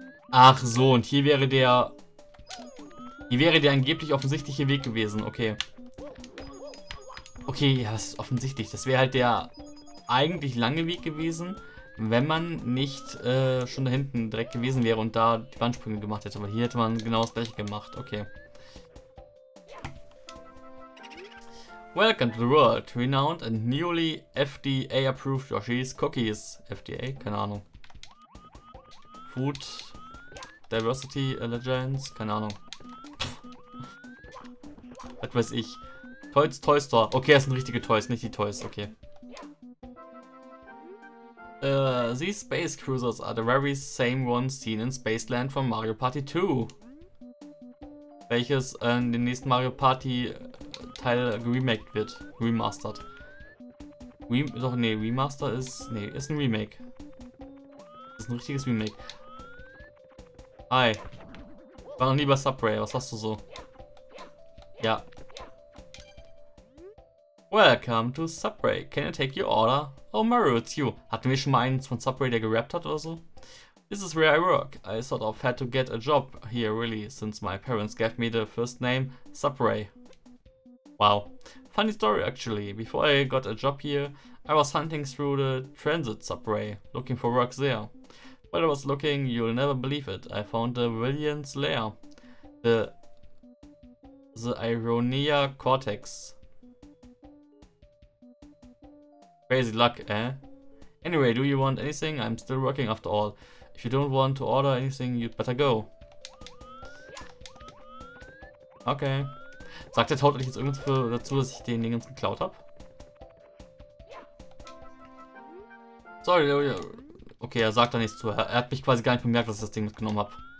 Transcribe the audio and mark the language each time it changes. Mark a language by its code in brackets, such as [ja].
[de] Ach so, und hier wäre der. Hier wäre der angeblich offensichtliche Weg gewesen. Okay. Okay, ja, das ist offensichtlich. Das wäre halt der eigentlich lange Weg gewesen, wenn man nicht schon da hinten direkt gewesen wäre und da die Wandsprünge gemacht hätte. Aber hier hätte man genau das gleiche gemacht. Okay. [en] Welcome to the world, renowned and newly FDA-approved Yoshi's Cookies. [de] FDA? Keine Ahnung. [en] Food Diversity Legends? [de] Keine Ahnung. Was weiß ich. Toys, Toy Store. Okay, es sind richtige Toys, nicht die Toys. Okay. [en] These Space Cruisers are the very same ones seen in Spaceland from Mario Party 2. [de] Welches in den nächsten Mario Party Teil geremaked wird, remastered. Remaster ist. Nee, ist ein Remake. Das ist ein richtiges Remake. Hi. Ich war noch nie bei Subway, was hast du so? Ja. [en] Welcome to Subway. Can I take your order? Oh Mario, it's you. [de] Hatten wir schon mal einen von Subway, der gerappt hat oder so? [en] This is where I work. I sort of had to get a job here really, since my parents gave me the first name, Subway. Wow. Funny story actually. Before I got a job here, I was hunting through the transit subway, looking for work there. While I was looking, you'll never believe it. I found the Villain's Lair. The Ironia Cortex. Crazy luck, eh? Anyway, do you want anything? I'm still working after all. If you don't want to order anything, you'd better go. Okay. [de] Sagt der Taut jetzt irgendwas dazu, dass ich den Dingens geklaut habe? Sorry, okay, er sagt da nichts zu. Er hat mich quasi gar nicht bemerkt, dass ich das Ding mitgenommen habe.